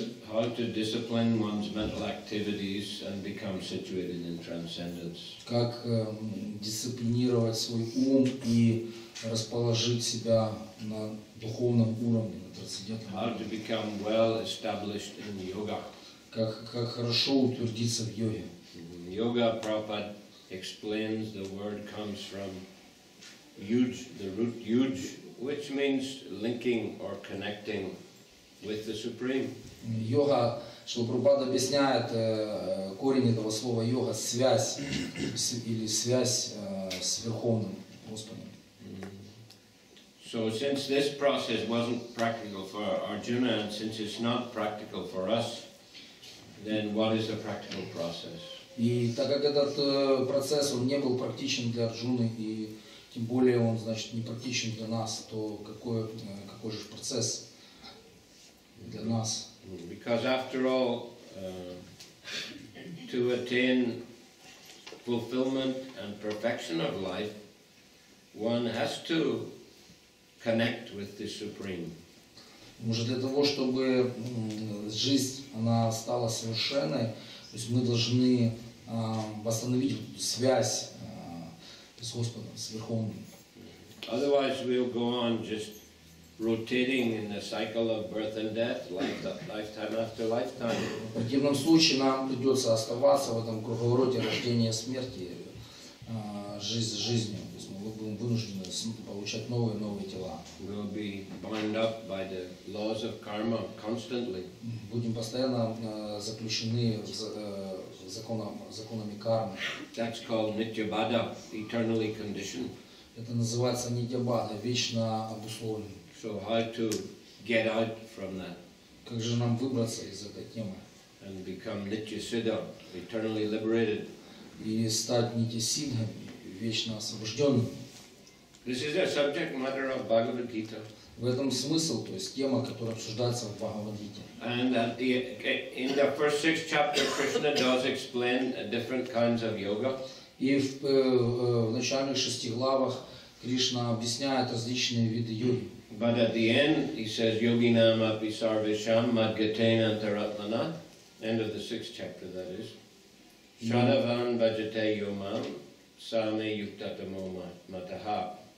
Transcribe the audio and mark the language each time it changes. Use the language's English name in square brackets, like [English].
[English] How to discipline one's mental activities and become situated in transcendence? [Russian] Как дисциплинировать свой ум и расположить себя на духовном уровне, на трансцендентном уровне? [English] How to become well established in yoga? [Russian] Как хорошо утвердиться в йоге? [English] Yoga, Prabhupada explains, the word comes from yuj, the root yuj, which means linking or connecting with the Supreme. [Russian] Йога, что Прабхупада объясняет, корень этого слова йога – связь, или связь с Верховным Господом. [English] So since this process wasn't practical for Arjuna, and since it's not practical for us, then what is a practical process? [Russian] И так как этот процесс, он не был практичен для Арджуны, и тем более он, значит, не практичен для нас, то какой же процесс для нас? [English] Because after all, to attain fulfillment and perfection of life, one has to connect with the Supreme. [Russian] Может, для того, чтобы жизнь она стала совершенной, то есть мы должны восстановить связь с Господом, с Верховным. [English] Otherwise we'll go on just rotating in the cycle of birth and death, lifetime after lifetime. [Russian] В противном случае нам придется оставаться в этом круговороте рождения и смерти, жизнь с жизнью. То есть мы будем вынуждены получать новые и новые тела. [English] We'll be bound up by the laws of karma constantly. [Russian] Будем постоянно заключены законами кармы. [English] That's called Nityabada, eternally conditioned. [Russian] Это называется Нитьябада, вечно обусловленный. [English] So how to get out from that? [Russian] Как же нам выбраться из этой темы? [English] and become Nitya Siddha, eternally liberated. This is a subject matter of Bhagavad Gita. [Russian] В этом смысл, то есть тема, которая обсуждается в Бхагавад-гите. [English] And in the first six chapters, Krishna does explain different kinds of yoga. [Russian] И в начальных шести главах Кришна объясняет различные виды йоги. [English] But at the end, he says, [Sanskrit] "Yoginam api sarvesham madgatena antaratmana." [English] End of the sixth chapter, that is. [Sanskrit] Shadavan bhajate yomam same yuktatamo mataha.